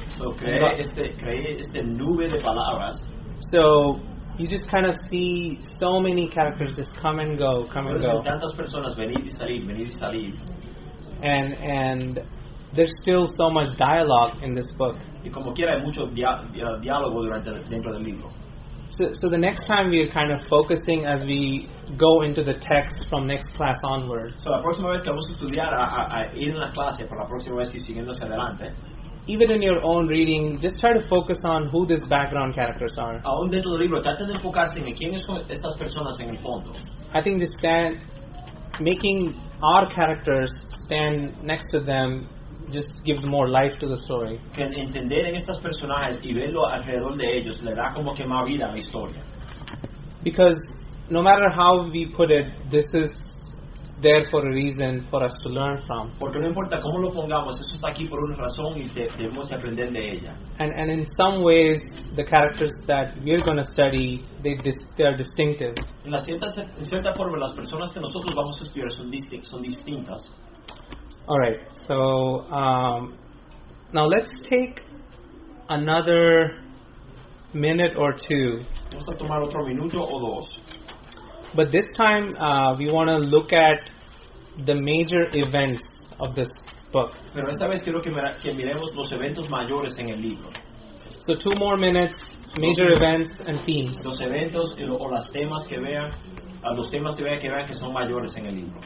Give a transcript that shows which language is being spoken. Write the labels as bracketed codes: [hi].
[es] Creé este nube de palabras. [en] So you just kind of see so many characters just come and go, come and go. [es] Tantas personas venir y salir. [en] And there's still so much dialogue in this book. [es] Y como quiera hay mucho diálogo dentro del libro. [en] So the next time we are kind of focusing as we go into the text from next class onwards. [es] So la próxima vez que vamos a estudiar ir en la clase por la próxima vez y siguiendo hacia adelante. [en] Even in your own reading, just try to focus on who these background characters are. [es] Aún dentro del libro, traten de enfocarse en quiénes son estas personas en el fondo. [en] I think this making our characters stand next to them just gives more life to the story. [es] Can entender en estos personajes y verlo alrededor de ellos le da como que más vida a la historia. [en] Because no matter how we put it, this is there for a reason for us to learn from. [es] Porque no importa cómo lo pongamos, eso está aquí por una razón y debemos aprender de ella. [en] And in some ways, the characters that we're going to study, they are distinctive. [es] En cierta forma, las personas que nosotros vamos a estudiar son distintas. [en] All right, so now let's take another minute or two. [es] Vamos a tomar otro minuto o dos. [en] But this time we want to look at the major events of this book. [es] Pero esta vez quiero que miremos los eventos mayores en el libro. [en] So two more minutes, major events and themes. [es] Los eventos o las temas que vean. Los temas que vean que son mayores en el libro.